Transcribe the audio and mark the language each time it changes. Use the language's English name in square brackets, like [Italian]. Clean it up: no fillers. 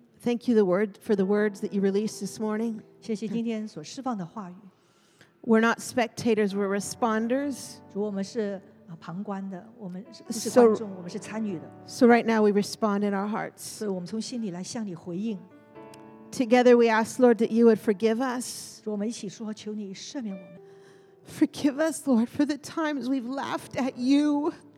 [English] Thank you for the words that you released this morning. [Chinese] 谢谢今天所释放的话语。 [English] We're not spectators, we're responders. [Chinese] 主，我们是旁观的，我们不是观众，我们是参与的。 [English] So right now we respond in our hearts. [Chinese] 所以我们从心里来向你回应。 [English] Together we ask, Lord, that you would forgive us. [Chinese] 主，我们一起说，求你赦免我们。 [English] Forgive us, Lord, for the times we've laughed at you.